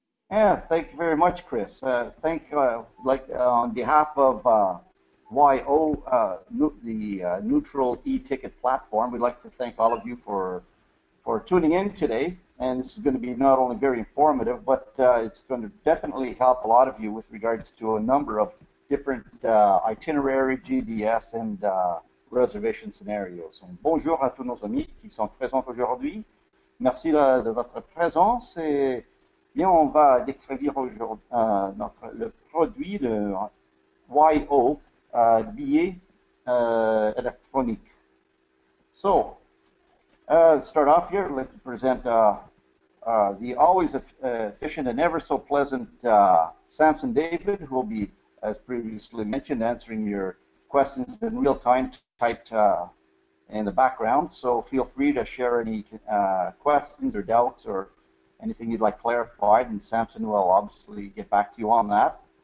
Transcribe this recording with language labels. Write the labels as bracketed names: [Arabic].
[English] Yeah, thank you very much, Chris. On behalf of YO, neutral e-ticket platform, we'd like to thank all of you for tuning in today. And this is going to be not only very informative, but it's going to definitely help a lot of you with regards to a number of different itinerary, GDS, and reservation scenarios. [French] And bonjour à tous nos amis qui sont présents aujourd'hui. Merci de votre présence. Et bien, on va décrire aujourd'hui le produit de YO, billet électronique. [English] So, let's start off here. Let me present the always efficient and ever so pleasant Samson David, who will be, as previously mentioned, answering your questions in real time typed in the background. So, feel free to share any questions or doubts or anything you'd like clarified, and Samson will obviously get back to you on that.